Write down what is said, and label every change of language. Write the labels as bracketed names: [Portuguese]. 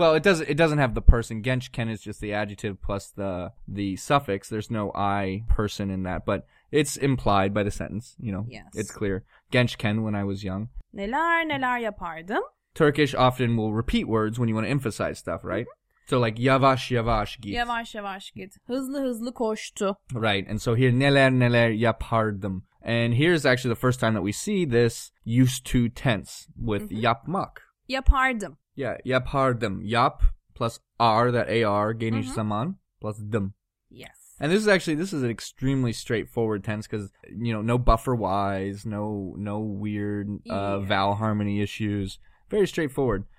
[English] Well, it doesn't have the person. Gençken is just the adjective plus the suffix. There's no I person in that, but it's implied by the sentence, you know. Yes. It's clear. Gençken, when I was young. [Turkish] Neler neler yapardım. [English] Turkish often will repeat words when you want to emphasize stuff, right? Mm-hmm. So like [Turkish] yavaş yavaş git. Yavaş yavaş git. Hızlı hızlı koştu. [English] Right. And so here [Turkish] neler neler yapardım. [English] And here's actually the first time that we see this used to tense with yapmak. [Turkish] Yapardım. [English] Yeah, yapardım. Yap plus R, that AR, geniş mm-hmm. zaman, plus dım. Yes. And this is actually, this is an extremely straightforward tense because, you know, no buffer Ys, no weird vowel harmony issues. Very straightforward.